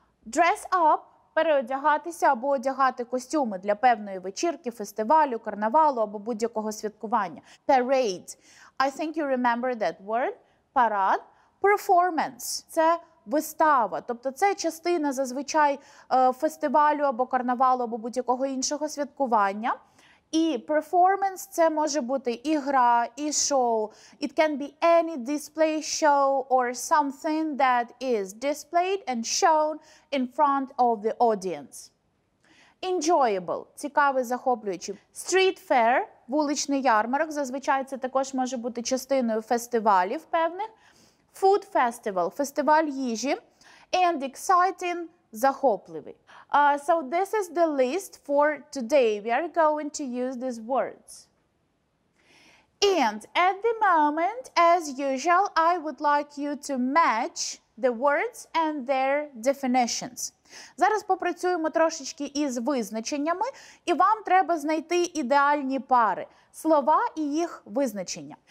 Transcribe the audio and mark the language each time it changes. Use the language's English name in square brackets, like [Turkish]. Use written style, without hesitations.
[Ukrainian] Dress up – переодягатися або одягати костюми для певної вечірки, фестивалю, карнавалу або будь-якого святкування. [English] Parade – I think you remember that word. Парад. [Ukrainian] Performance – це вистава, тобто це частина зазвичай фестивалю або карнавалу або будь-якого іншого святкування. І performance – це може бути і гра, і шоу. [English] It can be any display show or something that is displayed and shown in front of the audience. [Ukrainian] Enjoyable – цікавий, захоплюючий. Street fair – вуличний ярмарок, зазвичай це також може бути частиною фестивалів певних. [English] Food festival – фестиваль їжі. And exciting – захопливий. So this is the list for today. We are going to use these words. And at the moment, as usual, I would like you to match the words and their definitions. [Ukrainian] Зараз попрацюємо трошечки із визначеннями, і вам треба знайти ідеальні пари – слова і їх визначення.